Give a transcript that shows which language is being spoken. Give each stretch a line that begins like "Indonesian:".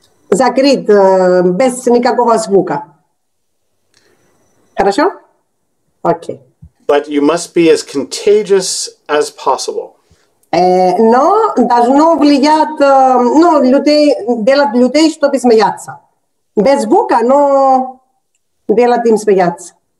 Russian: Закрыт, без никакого звука. Хорошо? Okay.
English: But you must be as contagious as possible.
Russian: Но должно влиять, ну, людей, делать людей, чтобы смеяться. Без звука, но делать им смеяться.